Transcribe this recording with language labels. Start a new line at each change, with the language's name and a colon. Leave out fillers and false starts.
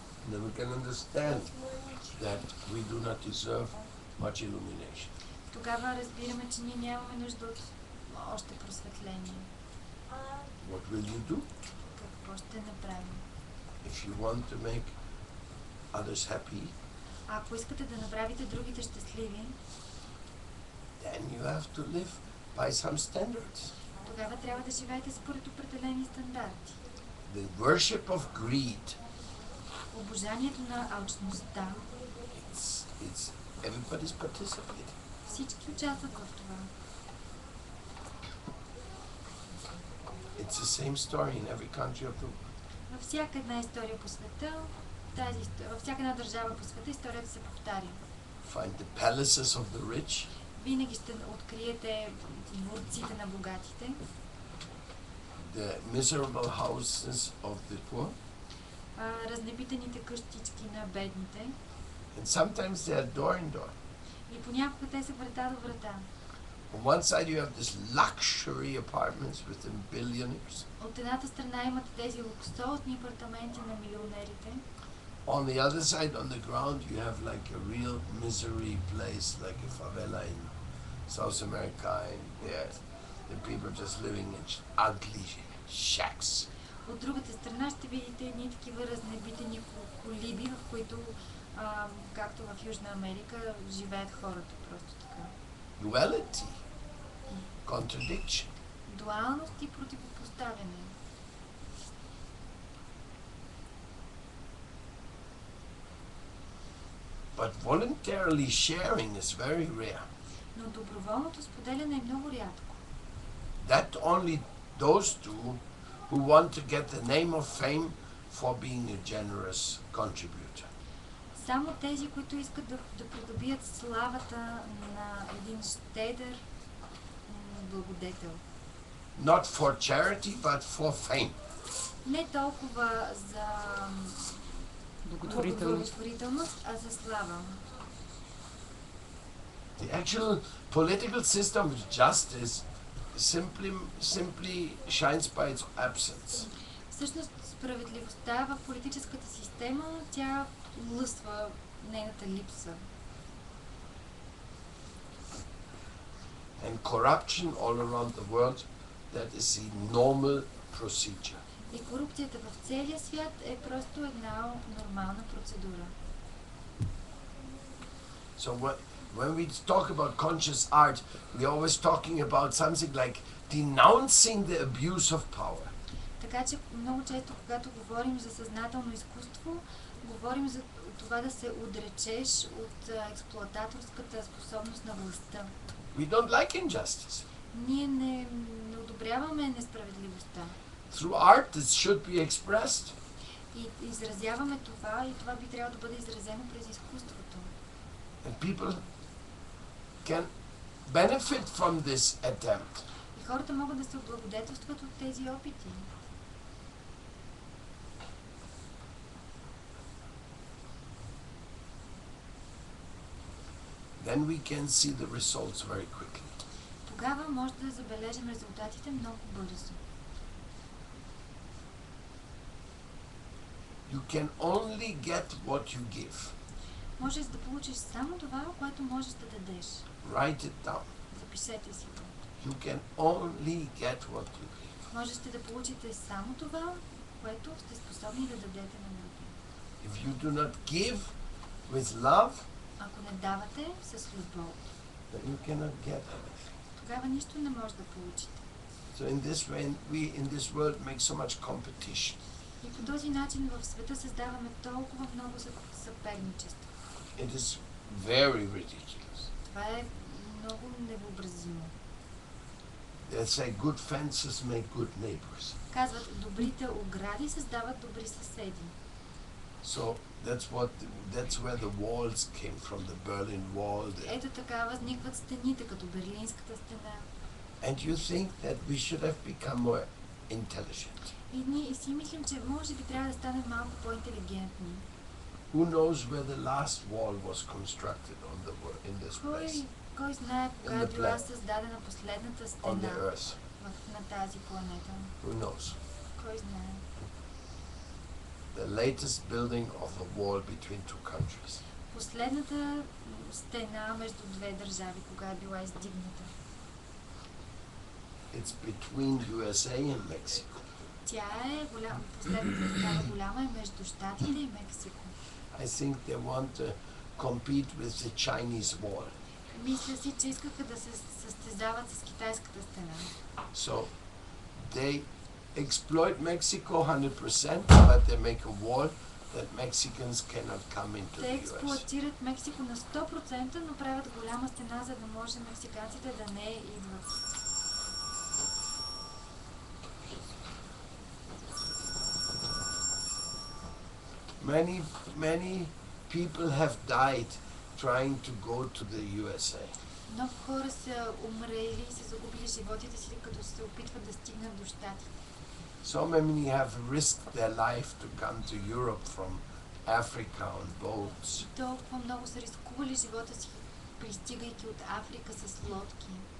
English: Then we can understand that we do not deserve much illumination.
Bulgarian: Тогава разбираме, че ние нямаме нужда от още просветление.
English: What will you do?
Bulgarian: Какво ще направим?
English: If you want to make others happy,
Bulgarian: ако искате да направите другите щастливи,
English: then you have to live by some standards.
Bulgarian: Тогава трябва да живеете според определени стандарти.
English: The worship of greed.
Bulgarian: Обожанието на алчността.
English: It's everybody's participating.
Bulgarian: Всички участват в това.
English: It's the same story in every country of the world.
Bulgarian: Във всяка една история по света, във всяка една държава по света, историята се повтаря.
English: Find the palaces of the rich.
Bulgarian: Винаги ще откриете дворците на богатите.
English: The miserable houses of the poor.
Bulgarian: Разнебитените къщички на бедните.
English: And sometimes they are door in door.
Bulgarian: И понякога те са врата до врата.
English: On one side you have these luxury apartments with the billionaires.
Bulgarian: От едната страна имате тези луксозни апартаменти на милионерите.
English: On the other side, on the ground, you have like a real misery place, like a favela in South America, and the people just living in ugly shacks.
Bulgarian: От другата страна ще видите едни такива разнебитени колиби, в които, както в Южна Америка, живеят хората просто така.
English: Duality. Contradiction.
Bulgarian: Дуалност и противопоставяне.
English: But voluntarily sharing is very rare.
Bulgarian: Но доброволното споделяне е много рядко.
English: That only those two who want to get the name of fame for being a generous contributor.
Bulgarian: Само тези, които искат да придобият славата на един щедър благодетел.
English: Not for charity, but for fame.
Bulgarian: Не толкова за благотворителност, а за слава.
English: The actual political system of justice simply shines by its absence.
Bulgarian: Всъщност справедливостта в политическата система, тя лъсва нейната липса.
English: And corruption all around the world, that is the normal procedure.
Bulgarian: И корупцията в целия свят е просто една нормална процедура.
English: So when we talk about conscious art, we are always talking about something like denouncing the abuse of power.
Bulgarian: Така че много често, когато говорим за съзнателно изкуство, говорим за това да се отречеш от експлоататорската способност на властта.
English: We don't like injustice.
Bulgarian: Ние не одобряваме несправедливостта.
English: Through art it should be expressed.
Bulgarian: И изразяваме това, и това би трябвало да бъде изразено през изкуството.
English: And people can benefit from this attempt.
Bulgarian: И хората могат да се облагодетелстват от тези опити.
English: Then we can see the results very quickly.
Bulgarian: Тогава може да забележим резултатите много бързо.
English: You can only get what you give.
Bulgarian: Можеш да получиш само това, което можеш да дадеш.
English: Write it down.
Bulgarian: Запишете си го.
English: You can only get what you give.
Bulgarian: Можете да получите само това, което сте способни да дадете на други.
English: If you do not give with love,
Bulgarian: ако не давате с любов,
English: then you cannot get anything.
Bulgarian: Тогава нищо не може да получите.
English: So in this way, we in this world make so much competition.
Bulgarian: И по този начин в света създаваме толкова много съперничество.
English: It is very ridiculous.
Bulgarian: Това е много невъобразимо.
English: They say good fences make good neighbors.
Bulgarian: Казват, добрите огради създават добри съседи.
English: So that's where the walls came from, the Berlin Wall.
Bulgarian: Ето така възникват стените като Берлинската стена.
English: And you think that we should have become more intelligent?
Bulgarian: И ние си мислим, че може би трябва да станем малко по-интелигентни.
English: Who knows where the last wall was constructed on the world in this place?
Bulgarian: Кой знае кога е била създадена последната стена?
English: On the earth.
Bulgarian: На тази планета.
English: Who knows?
Bulgarian: Кой знае?
English: The latest building of a wall between two countries.
Bulgarian: Последната стена между две държави, кога е била издигната?
English: It's between USA and Mexico.
Bulgarian: Тя е голяма между Щатите и Мексико.
English: I think they want to compete with the Chinese wall.
Bulgarian: Мисля си, че искаха да се състезават с китайската стена.
English: So they exploit Mexico 100%, but they make a wall that Mexicans cannot come into the US.
Bulgarian: Те експлоатират Мексико на 100%, но правят голяма стена, за да може мексиканците да не идват.
English: Many people have died trying to go to the USA.
Bulgarian: Много хора са умрели и са загубили животите си, като се опитват да стигнат до Щатите.
English: So many have risked their life to come to Europe from Africa on boats.
Bulgarian: Толкова много са рискували живота си, пристигайки от Африка с лодки.